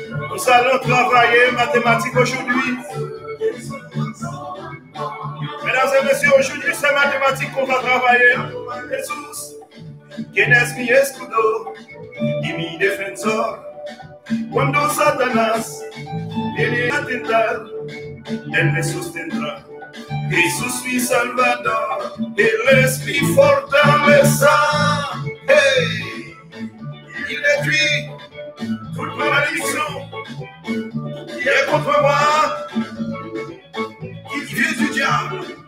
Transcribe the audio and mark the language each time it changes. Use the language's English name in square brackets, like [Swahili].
[French] Nous allons travailler mathématiques aujourd'hui. Mesdames et messieurs, aujourd'hui c'est mathématiques qu'on va travailler. [Spanish] Jesus. Quien es mi escudo y mi defensor? Cuando Satanás viene a tentar, él me sustentará. Jesús mi salvador, él es mi fortaleza. [French] Hey, il détruit toute ma malédiction qui est contre moi, qui vient du diable.